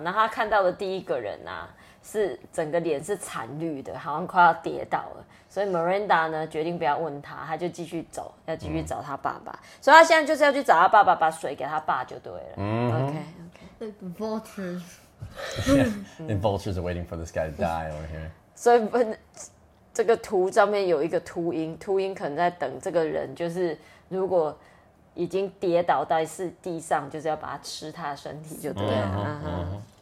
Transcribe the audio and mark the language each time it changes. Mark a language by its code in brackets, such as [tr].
[zh] 那他看到的第一个人啊，是整个脸是惨绿的，好像快要跌倒了。所以 Miranda 呢决定不要问他，他就继续走，要继续找他爸爸。所以他现在就是要去找他爸爸，把水给他爸就对了。 [en] Okay. The vultures. The vultures are waiting for this guy to die over here. [zh] 所以这个图上面有一个秃鹰，秃鹰可能在等这个人，就是。如果已经跌倒在地上，就是要把它吃它的身体就对了。